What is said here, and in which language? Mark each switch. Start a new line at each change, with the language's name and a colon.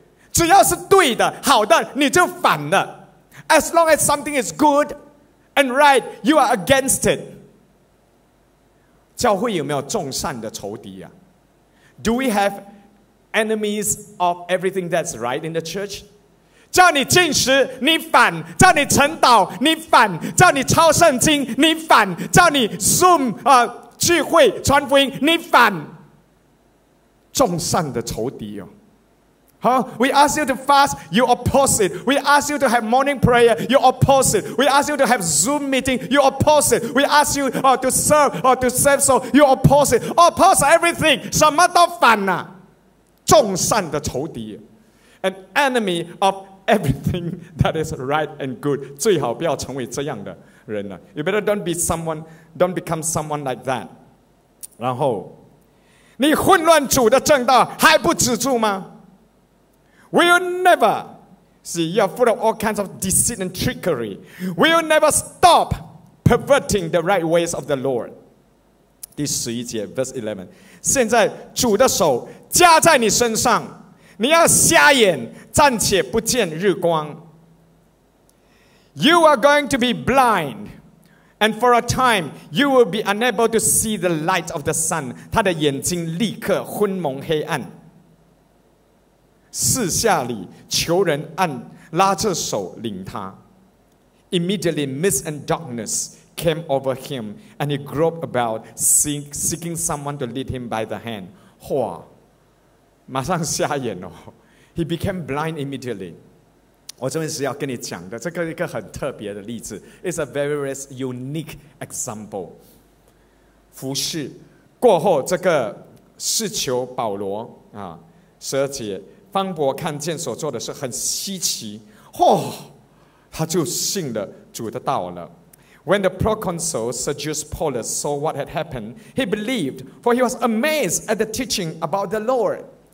Chinese: 只要是对的好的你就反了。
English: As long as something is good and right, you are against it.
Chinese: 教会有没有众善的仇敌啊？
English: Do we haveenemies of everything that's right in the church?
Chinese: 叫你禁食你反，叫你晨祷你反，叫你抄圣经你反，叫你 Zoom 聚会传福音你反，众善的仇敌哦。
English: We ask you to fast, you oppose it. We ask you to have morning prayer, you oppose it. We ask you to have Zoom meeting, you oppose it. We ask you to serve so, you oppose it. Oppose everything,
Chinese: 什么都反啊。众善的仇敌
English: an enemy of everything that is right and good.
Chinese: 最好不要成为这样的人了。
English: You better don't become someone like that.
Chinese: 然后，你混乱主的正道还不止住吗？
English: Will never see you are full of all kinds of deceit and trickery. Will never stop perverting the right ways of the Lord.
Chinese: 第十一节
English: verse 11.
Chinese: 现在主的手加在你身上。你要瞎眼，暂且不见日光。
English: You are going to be blind, and for a time, you will be unable to see the light of the sun.
Chinese: 他的眼睛立刻昏蒙黑暗。四下里求人按拉着手领他。
English: Immediately, mist and darkness came over him, and he groped about, seeking someone to lead him by the hand.
Chinese: 哇！马上瞎眼哦 ，
English: He became blind immediately.
Chinese: 我这边是要跟你讲的，这个一个很特别的例子 ，
English: It's a very, very unique example.
Chinese: 服事过后，这个使徒保罗啊，十二节，方伯看见所做的事很稀奇，嚯、哦，他就信了主的道了。
English: When the proconsul Sergius Paulus saw what had happened, he believed, for he was amazed at the teaching about the Lord.